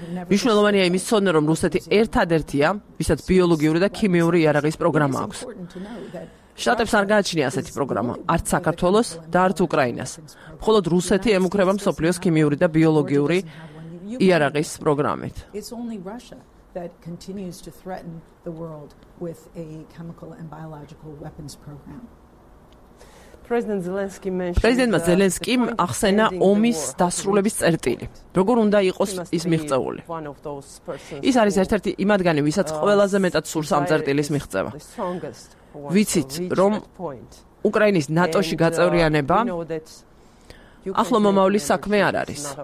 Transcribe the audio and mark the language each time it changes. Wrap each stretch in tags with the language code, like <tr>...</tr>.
<ka>მნიშვნელოვანია იმის ცოდნა, რომ რუსეთი ერთადერთია, ვისაც ბიოლოგიური და ქიმიური იარაღის პროგრამა აქვს. შტატებს არ გააჩნია ასეთი პროგრამა, არც საქართველოს და არც უკრაინას. მხოლოდ რუსეთი ემუქრება მსოფლიოს ქიმიური და ბიოლოგიური იარაღის პროგრამით.</ka> <en>It's only Russia that continues to threaten the world with a chemical and biological weapons program.</en> <ka>პრეზიდენტმა ზელენსკიმ ახსენა ომის დასრულების წერტილი. როგორ უნდა იყოს ის მიღწეული? ის არის ერთ-ერთი იმადგენი, ვისაც ყველაზე მეტად სურს ამ წერტილის მიღწევა. ვიცით, რომ უკრაინის ნატოში გაწევრიანება ახლო მომავლის საქმე არ არის.</ka>